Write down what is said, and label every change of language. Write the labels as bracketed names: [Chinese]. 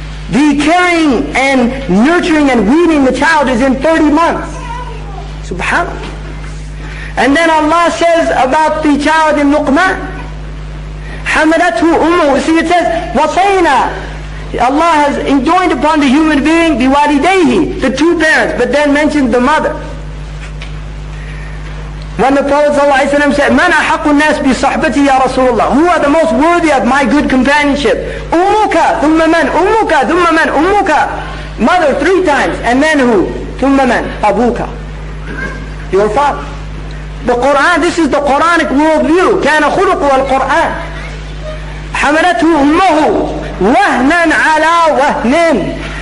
[English] The carrying and nurturing and weaning the child is in 30 months. SubhanAllah. And then Allah says about the child in Luqman, [Arabic] حَمَلَتْهُ أُمُّهُ. [English] See, it says, وَصَيْنَا. Allah has enjoined upon the human being بِوَالِدَيْهِ, the two parents, but then mentioned the mother. When the Prophet ﷺ said, [Arabic] مَنْ أَحَقُّ النَّاسِ بِصَحْبَتِي يَا رَسُولَ اللَّهِ. [English] Who are the most worthy of my good companionship? [Arabic] أُمُّكَ ثُمَّ مَنْ أُمُّكَ ثُمَّ مَنْ أُمُّكَ. [English] Mother three times, and then who? [Arabic] ثُمَّ مَنْ أَبُوكَ. [English] Your father. The Qur'an, this is the Qur'anic worldview. [Arabic] كَانَ خُلُقُهُ الْقُرْآنِ. حَمَلَتْهُ أُمَّهُ وَهْنًا عَلَى وَهْنٍ.